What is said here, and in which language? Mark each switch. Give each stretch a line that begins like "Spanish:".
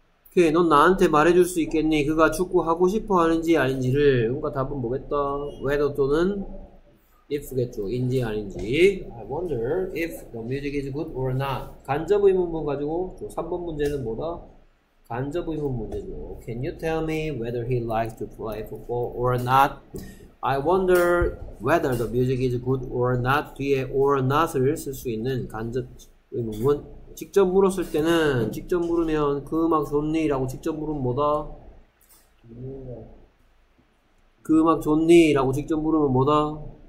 Korean: 오케이, 넌 나한테 말해줄 수 있겠니? 그가 축구하고 싶어 하는지 아닌지를. 그러니까 답은 뭐겠다? whether 또는 if겠죠. 인지 아닌지.
English: I wonder if the music is good or not.
Korean: 간접 의문문 가지고 3번 문제는 뭐다? 간접 의문문제죠.
English: Can you tell me whether he likes to play football or not? I wonder whether the music is good or not.
Korean: 뒤에 or not을 쓸수 있는 간접 의문문. 직접 물었을 때는, 직접 물으면, 그 음악 좋니? 라고 직접 물으면 뭐다? 그 음악 좋니? 라고 직접 물으면 뭐다?